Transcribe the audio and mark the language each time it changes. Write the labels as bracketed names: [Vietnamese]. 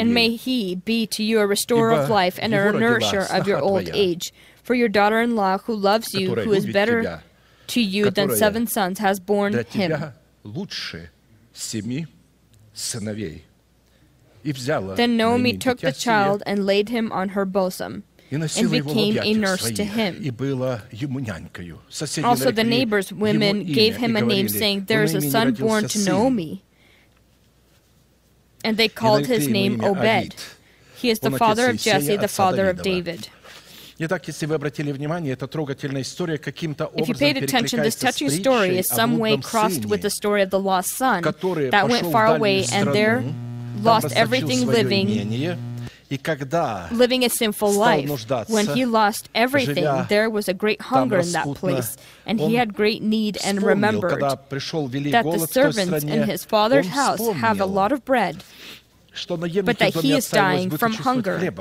[English] And may he be to you a restorer of life and a nourisher of your old age. For your daughter-in-law, who loves you, who is better to you than seven sons, has borne him. [Russian] Для тебя лучше семи сыновей. И взяла. [English] Then Naomi took the child and laid him on her bosom. And became a nurse to him. Also, the neighbors' women gave him a name, saying, There is a son born to Naomi. And they called his name Obed. He is the father of Jesse, the father of David. [Russian] Итак, если вы обратили внимание, это трогательная история каким-то образом перекликается с притчей о блудном сыне, который пошел в дальнюю страну, там засадил свое имение, и когда стал нуждаться в имении, [English] Living a sinful life, when he lost everything, there was a great hunger in that place, and he had great need and remembered that the servants in his father's house have a lot of bread, but that he is dying from hunger.